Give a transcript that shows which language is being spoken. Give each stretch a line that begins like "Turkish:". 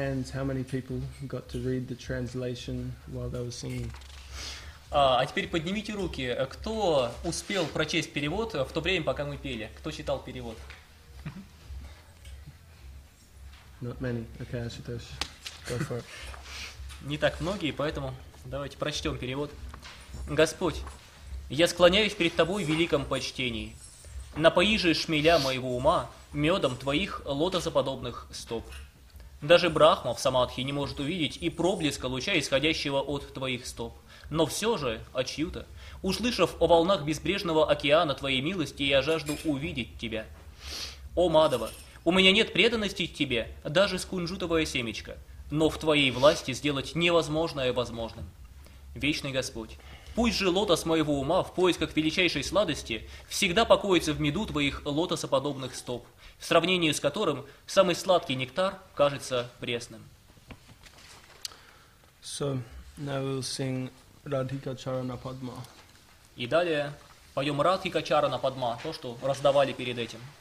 English: How many people got to read the translation while they were singing?
Russian: А теперь поднимите руки, кто успел прочесть перевод в то время, пока мы пели? Кто читал перевод?
English: Not many. Okay, Ashutosh. Go for it.
Russian: Не так многие, поэтому давайте прочтем перевод. Господь, я склоняюсь перед Тобой в великом почтении. Напои же шмеля моего ума медом Твоих лотосоподобных стоп. Даже Брахма в самадхи не может увидеть и проблеска луча, исходящего от Твоих стоп. Но все же, очью-то, услышав о волнах безбрежного океана Твоей милости, я жажду увидеть Тебя. О Мадава, у меня нет преданности Тебе, даже скунжутовое семечко, но в Твоей власти сделать невозможное возможным. Вечный Господь, пусть же лотос моего ума в поисках величайшей сладости всегда покоится в меду Твоих лотосоподобных стоп, в сравнении с которым самый сладкий нектар кажется пресным.
English: So, now we'll sing Radhika Charana Padma.
Russian: И далее поем Радхика Чарана Падма, то, что раздавали перед этим.